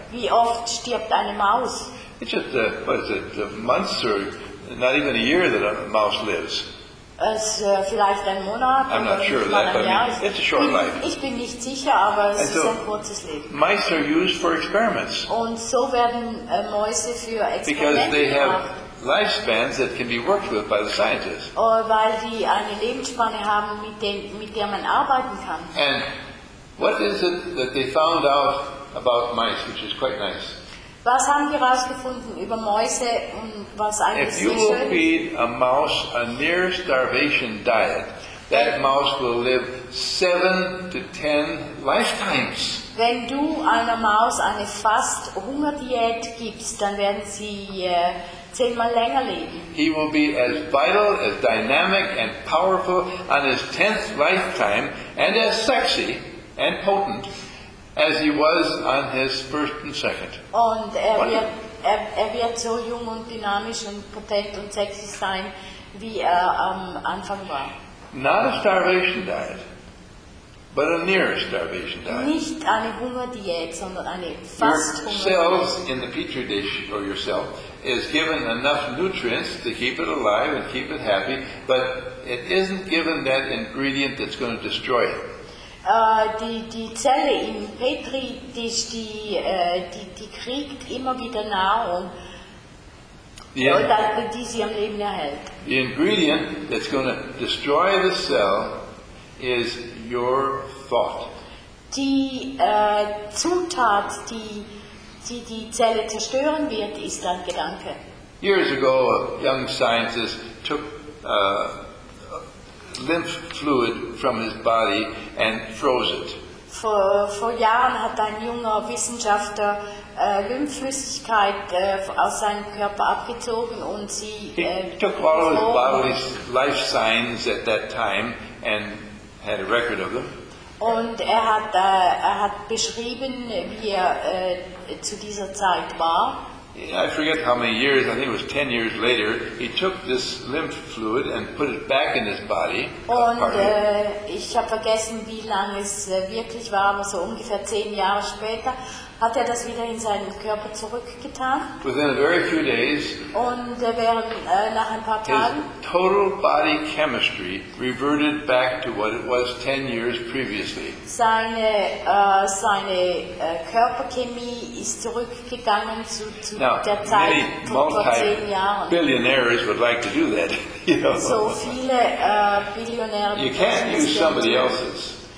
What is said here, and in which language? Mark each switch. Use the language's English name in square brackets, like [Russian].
[German] Wie oft stirbt eine Maus? [English] It's just months or not even a year that a mouse lives. [German] Es vielleicht ein Monat. [English] I'm not sure of that, but it's a short life. [German] Ich bin nicht sicher, aber es ist ein kurzes Leben. [English] Mice are used for experiments. [German] Und so werden Mäuse für Experimente gemacht. [English] Because they have lifespans that can be worked with by the scientists. [German] Weil sie eine Lebensspanne haben, mit der man arbeiten kann. [English] And what is it that they found out about mice, which is quite nice? [German] Was haben wir herausgefunden über Mäuse und was eigentlich sehr schön? [English] If you feed a mouse a near starvation diet, that mouse will live 7 to 10 lifetimes. [German] Wenn du einer Maus eine fast Hungerdiät gibst, dann werden sie 10-mal länger leben. [English] He will be as vital, as dynamic and powerful on his 10th lifetime and as sexy and potent as he was on his first and second. [German] Und er wird so jung und dynamisch und potent und sexy sein, wie er am Anfang war. [English] Not a starvation diet, but a near starvation diet. [German] Nicht eine Hungerdiät, sondern eine fast Hungerdiät. [English] Your cells in the petri dish or yourself is given enough nutrients to keep it alive and keep it happy, but it isn't given that ingredient that's going to destroy it. [German] Die Zelle im Petri-Tisch, die kriegt immer wieder Nahrung, die sie am Leben erhält. [English] The ingredient that's going to destroy the cell is your thought. [German] Die Zutat, die Zelle zerstören wird, ist dein Gedanke. [English] Years ago, a young scientist took lymph fluid from his body and froze it. [German] Vor Jahren hat ein junger Wissenschaftler Lymphflüssigkeit aus seinem Körper abgezogen und sie [English] took all his bodily life signs at that time and had a record of them. [German] Und er hat beschrieben, wie er zu dieser Zeit war. [English] I forget how many years, I think it was 10 years later, he took this lymph fluid and put it back in his body. [German] Und ich habe vergessen, wie lange es wirklich war, aber so ungefähr 10 Jahre später hat er das wieder in seinen Körper zurückgetan. [English] Within a very few days, [German] und während nach ein paar Tagen, [English] his total body chemistry reverted back to what it was 10 years previously. [German] Seine Körperchemie ist zurückgegangen zu [English] now, [German] der Zeit [English] many multi-billionaires would like to do that. [German] So viele Billionäre. [English] You can't use somebody else's.